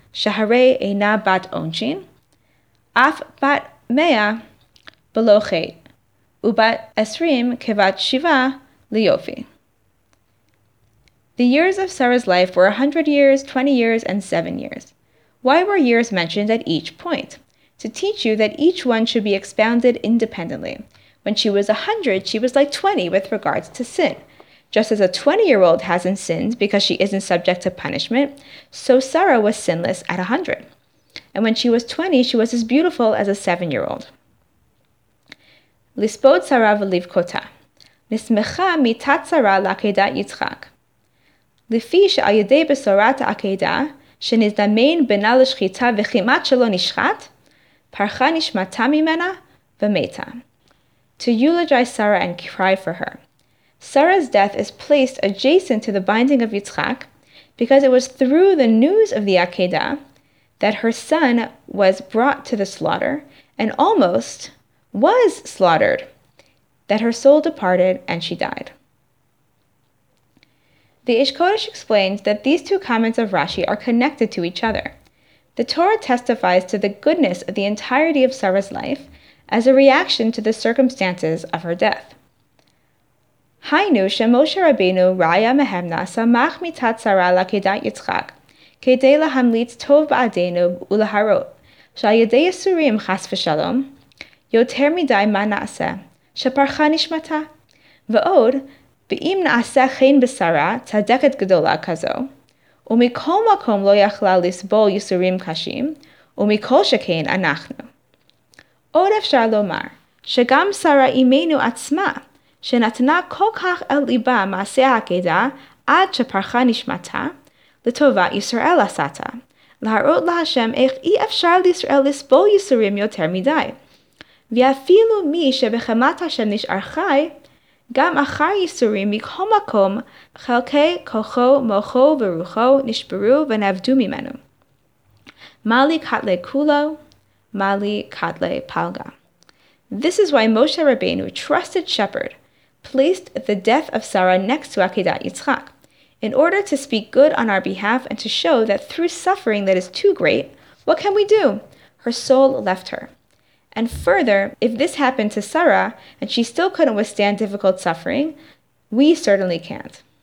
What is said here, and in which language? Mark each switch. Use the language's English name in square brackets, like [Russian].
[Hebrew] שהרי אינה בת עונשין, אף בת מאה בלא חטא, ובת עשרים כבת שבעה ליופי. [English] The years of Sarah's life were 100 years, 20 years, and 7 years. Why were years mentioned at each point? To teach you that each one should be expounded independently. When she was 100, she was like 20 with regards to sin. Just as a 20-year-old hasn't sinned because she isn't subject to punishment, so Sarah was sinless at 100. And when she was 20, she was as beautiful as a 7-year-old. [Hebrew] Lispod Sarah v'livkota. Nismecha mitat Sarah l'akedat Yitzchak. לפי שעל ידי בשורת העקדה, שנזדמן בינה לשחיטה וכמעט שלא נשחט, פרחה נשמתה ממנה ומתה. [English] To eulogize Sarah and cry for her. Sarah's death is placed adjacent to the binding of Yitzchak because it was through the news of the Akeda that her son was brought to the slaughter and almost was slaughtered, that her soul departed and she died. The Ish Kodesh explains that these two comments of Rashi are connected to each other. The Torah testifies to the goodness of the entirety of Sarah's life as a reaction to the circumstances of her death. [Hebrew] Hainu Shemoshe Rabbeinu Raya Mehemna Samach Mitat Sarah L'Akedat Yitzchak Kedei L'Hamlitz Tov Ba'adeinu U'Laharot Shal Yedei Yisurim Chas V'Shalom Yoter Midai Ma Na'ase Sheparcha Nishmata Ve'od ואם נעשה חן בשרה, צדקת גדולה כזו, ומכל מקום לא יכלה לסבול יסורים קשים, ומכל שכן אנחנו. עוד אפשר לומר, שגם שרה אמנו עצמה, שנתנה כל כך אל ליבה מעשי העקדה, עד שפרחה נשמתה, לטובה ישראל עשתה, להראות להשם איך אי אפשר לישראל לסבול יסורים יותר מדי. ואפילו מי שבחמת השם נשאר חי, גם אחר יסורים מכל מקום, חלקי כוחו, מוחו ורוחו נשברו ונעבדו ממנו. מלי קטלי כולו, מלי קטלי פלגה. [English] This is why Moshe Rabbeinu, trusted shepherd, placed the death of Sarah next to Akedat Yitzchak, in order to speak good on our behalf and to show that through suffering that is too great, what can we do? Her soul left her. And further, if this happened to Sarah, and she still couldn't withstand difficult suffering, we certainly can't.